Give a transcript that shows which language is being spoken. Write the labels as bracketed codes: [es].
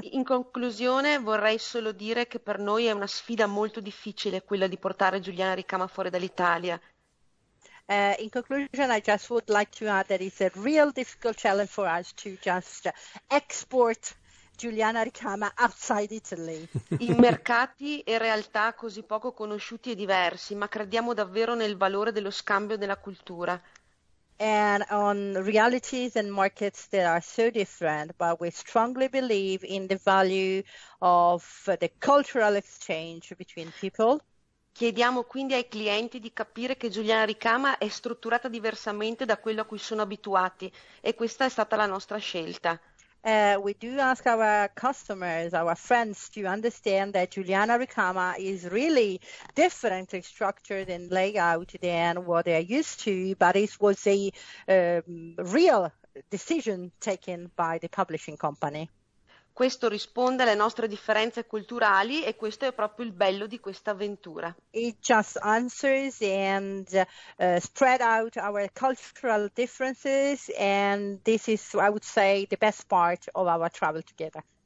[it] In conclusione vorrei solo dire che per noi è una sfida molto difficile quella di portare Giuliana Ricama fuori dall'Italia. [en] In conclusion, I just would like to add that it's a real difficult challenge for us to just export Giuliana Ricama outside Italy. [it] In mercati e realtà così poco conosciuti e diversi, ma crediamo davvero nel valore dello scambio della cultura. [en] And on realities and markets that are so different, but we strongly believe in the value of the cultural exchange between people. [it] Chiediamo quindi ai clienti di capire che Giuliana Ricama è strutturata diversamente da quello a cui sono abituati, e questa è stata la nostra scelta. [en] We do ask our customers, our friends, to understand that Giuliana Ricama is really differently structured and layout than what they are used to, but it was a real decision taken by the publishing company. [it] Questo risponde alle nostre differenze culturali, e questo è proprio il bello di questa avventura. [en] It just answers and spread out our cultural differences, and this is, I would say, the best part of our travel together.